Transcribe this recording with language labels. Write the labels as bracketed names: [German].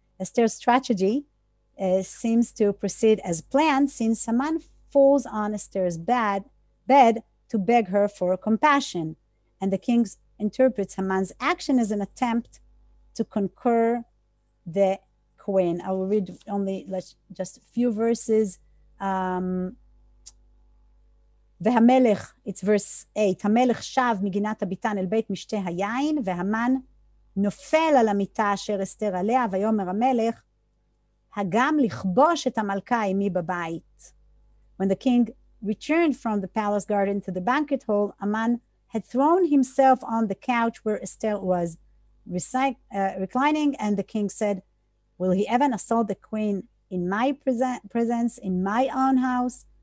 [English] Esther's strategy seems to proceed as planned, since Haman falls on Esther's bed to beg her for compassion. And the king interprets Haman's action as an attempt to conquer the queen. I will read just a few verses. [Hebrew] והמלך, [English] it's verse 8, [Hebrew] המלך שב מגינת הביטן אל בית משתה היין, והמן נופל על המיטה אשר אסתר עליה, ויאמר המלך, הגם לכבוש את המלכה עמי בבית. [English] When the king returned from the palace garden to the banquet hall, Haman had thrown himself on the couch where Esther was reclining, and the king said, will he even assault the queen in my presence, in my own house?